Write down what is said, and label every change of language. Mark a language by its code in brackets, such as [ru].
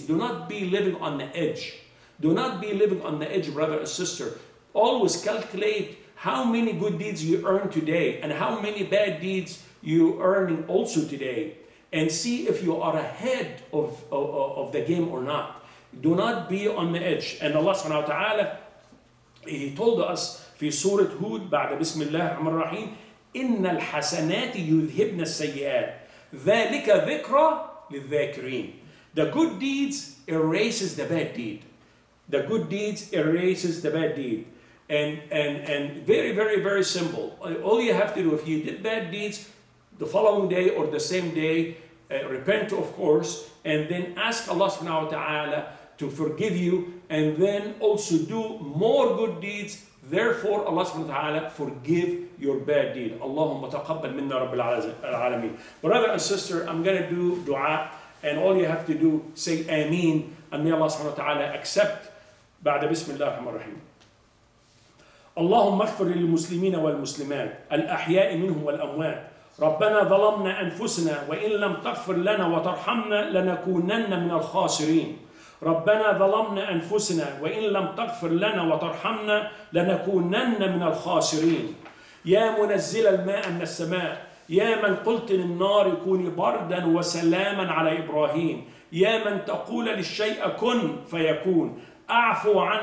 [en] Do not be living on the edge. Do not be living on the edge, brother and sister. Always calculate how many good deeds you earn today and how many bad deeds you earning also today, and see if you are ahead of the game or not. Do not be on the edge. And Allah subhanahu wa ta'ala, He told us [ar] في سورة هود بعد بسم الله الرحمن الرحيم إن الحسنات يذهبن السيئات ذلك ذكرى للذاكرين. [en] The good deeds erases the bad deed. The good deeds erases the bad deed. And very, very, very simple. All you have to do, if you did bad deeds the following day or the same day, repent, of course, and then ask Allah subhanahu wa ta'ala to forgive you, and then also do more good deeds. Therefore, Allah subhanahu wa ta'ala forgive your bad deed. [ar] Allahumma taqabbal minna rabbil alameen. [en] Brother and sister, I'm going to do dua, and all you have to do, say ameen, and may Allah subhanahu wa ta'ala accept. [ar] بعد بسم الله الرحمن الرحيم. اللهم اغفر للمسلمين والمسلمات الأحياء منهم والأموات ربنا ظلمنا أنفسنا وإن لم تغفر لنا وترحمنا لنكونن من الخاسرين ربنا ظلمنا أنفسنا وإن لم تغفر لنا وترحمنا لنكونن من الخاسرين يا منزل الماء من السماء يا من قلت للنار كوني بردا وسلاما على إبراهيم يا من تقول للشيء كن فيكون أعفو